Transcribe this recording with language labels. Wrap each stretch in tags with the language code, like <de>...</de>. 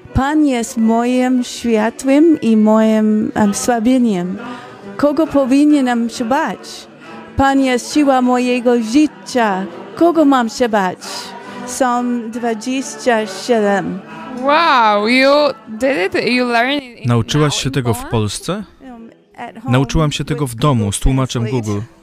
<pl>Pan jest moim światłem i moim słabieniem. Kogo powinienem się bać? Pan jest siła mojego życia. Kogo mam się bać? Psalm 27.</pl> <en>Wow, you did it, you learned it.</en> <pl>Nauczyłaś się tego w Polsce? Nauczyłam się tego w domu z tłumaczem Google.</pl>